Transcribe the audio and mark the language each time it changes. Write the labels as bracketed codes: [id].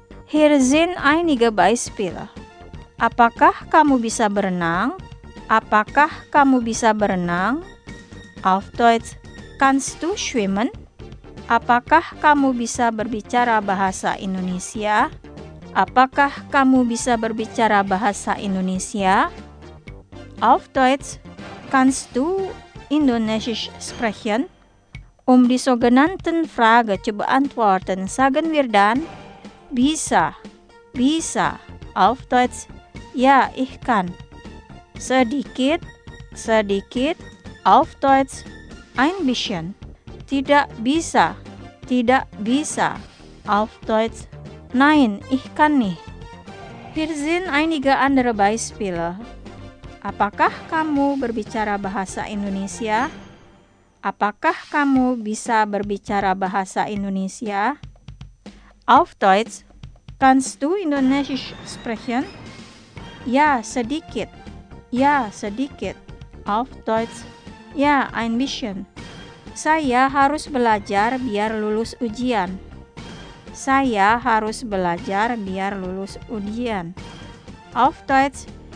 [de] Hier sind einige Beispiele. [id] Apakah kamu bisa berenang? Apakah kamu bisa berenang? [de] Auf Deutsch, Kannst du schwimmen? [id] Apakah kamu bisa berbicara bahasa Indonesia? Apakah kamu bisa berbicara bahasa Indonesia? [de] Auf Deutsch, kannst du Indonesisch sprechen? Die sogenannten Frage zu beantworten, sagen wir dann, [id] bisa, bisa. [de] Auf Deutsch, ja, ich kann. [id] Sedikit, sedikit. [de] Auf Deutsch, Ein bisschen. [id] Tidak bisa. Tidak bisa. [de] Auf Deutsch. Nein, ich kann nicht. Wir sind einige andere Beispiele. [id] Apakah kamu berbicara bahasa Indonesia? Apakah kamu bisa berbicara bahasa Indonesia? [de] Auf Deutsch. Kannst du Indonesisch sprechen? [id] Ja, sedikit. Ja, sedikit. [de] Auf Deutsch. Ja, ein bisschen. [id] Saya harus belajar biar lulus ujian. Saya harus belajar biar lulus ujian. [de] Auf Deutsch.